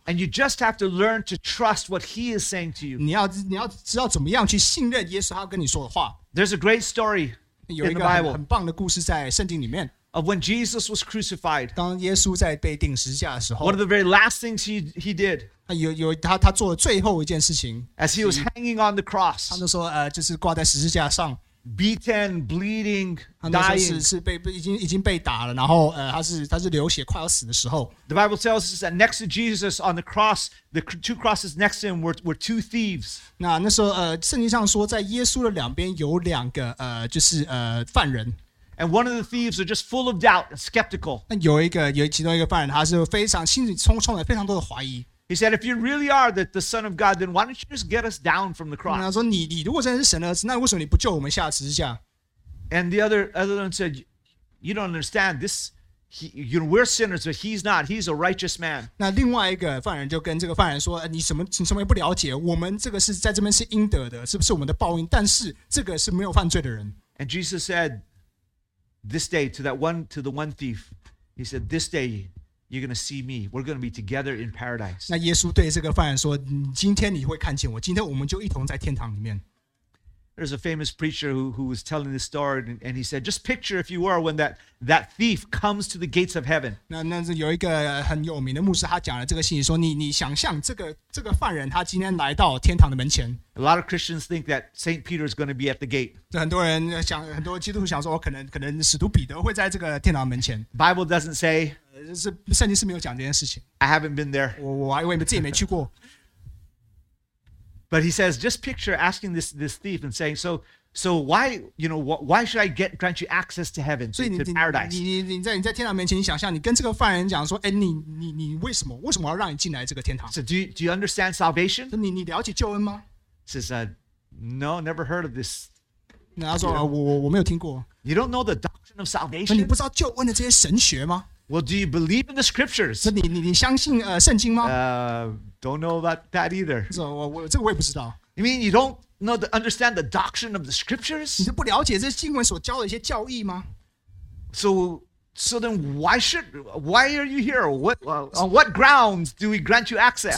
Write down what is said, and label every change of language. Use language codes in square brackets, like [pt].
[en] And you just have to learn to trust what He is saying to you. [zh] 你要知道怎么样去信任耶稣他跟你说的话。 [en] There's a great story in the Bible. [zh] 有一个很棒的故事在圣经里面。 [en] Of when Jesus was crucified. [zh] 当耶稣在被钉十字架的时候。 [en] One of the very last things he did. [zh] 他做了最后一件事情。 [en] As he was hanging on the cross. [zh] 他就说就是挂在十字架上。 [en] Beaten, bleeding, dying. [zh] 他那时候是已经被打了，然后他是流血快要死的时候。 [en] The Bible tells us that next to Jesus on the cross, the two crosses next to him were two thieves. [zh] 那时候圣经上说，在耶稣的两边有两个犯人。 [en] And one of the thieves are just full of doubt and skeptical. [zh] 有其中一个犯人，他是非常心里充满非常多的怀疑。 [en] He said, if you really are the Son of God, then why don't you just get us down from the cross? [zh] 他说你如果真的是神的儿子，那为什么你不救我们下十字架？ [en] And the other one said, you don't understand this. You know, we're sinners, but he's not. He's a righteous man. [zh] 那另外一个犯人就跟这个犯人说，你什么也不了解，我们这个是在这边是应得的，是不是我们的报应？但是这个是没有犯罪的人。 [en] And Jesus said, this day to that one, to the one thief, he said, this day,You're going to see me. We're going to be together in paradise. [zh] 那耶稣对这个犯人说，今天你会看见我，今天我们就一同在天堂里面。 [en] There's a famous preacher who was telling this story, and he said, just picture if you were when that thief comes to the gates of heaven. [zh] 那是有一个很有名的牧师，他讲了这个信息，说你想象这个犯人他今天来到天堂的门前。 [en] A lot of Christians think that St. Peter is going to be at the gate. [zh] 很多基督徒想说，可能使徒彼得会在这个天堂门前。 [en] Bible doesn't say. [zh] 圣经是没有讲这件事情。 [en] I haven't been there. [zh] 我还以为自己没去过。 [en] But he says, just picture asking this thief and saying, so why, you know, why should I grant you access to heaven, to paradise? [zh] 你在天堂面前，你想象你跟这个犯人讲说，哎，你为什么要让你进来这个天堂？ [en] So do you understand salvation? [zh] 你了解救恩吗？ [en] He said, no, never heard of this. [zh] 那他说我没有听过。 [en] You don't know the doctrine of salvation? [zh] 你不知道救恩的这些神学吗？ [en] Well, do you believe in the scriptures? [zh] 你相信圣经吗？ [en] Don't know about that either. [zh] 这个我也不知道。 [en] You mean you don't know the understand the doctrine of the scriptures? [zh] 你是不了解这经文所教的一些教义吗？ [en] So then why are you here? On what grounds do we grant you access?